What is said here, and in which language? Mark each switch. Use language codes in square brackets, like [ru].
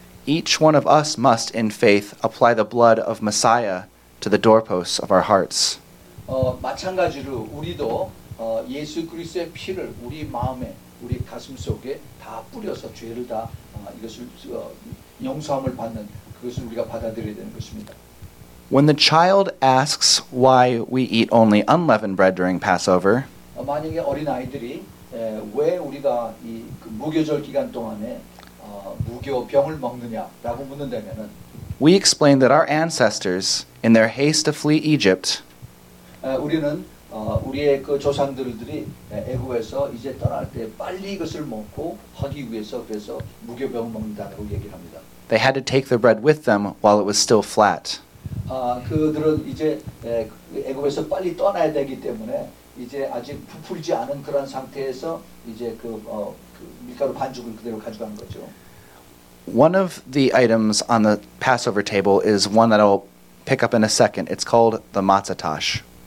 [en] each one of us must in faith apply the blood of Messiah to the doorposts of our hearts. [ko] 마찬가지로 우리도 예수 그리스도의 피를 우리 마음에 우리 가슴 속에 다 뿌려서 죄를 다 이것을 용서함을 받는 그것을 우리가 받아들여야 되는 것입니다. [en] When the child asks why we eat only unleavened bread during Passover, [ko] 만약에 어린 아이들이 왜 우리가 이 그 무교절 기간 동안에 무교병을 먹느냐라고 묻는다면은, [en] we explain that our ancestors, in their haste to flee Egypt, [ko] 우리는 우리의 그 조상들들이 애굽에서 이제 떠날 때 빨리 이것을 먹고 하기 위해서 그래서 무교병을 먹는다고 얘기를 합니다. [en] They had to take the bread with them while it was still flat. [ko] 그들은 이제 애굽에서 빨리 떠나야 되기 때문에 이제 아직 부풀지 않은 그런 상태에서 이제 그 밀가루 반죽을 그대로 가져간 거죠. [en] One of the items on the Passover table is one that I'll pick up in a second. It's called the matzah tash.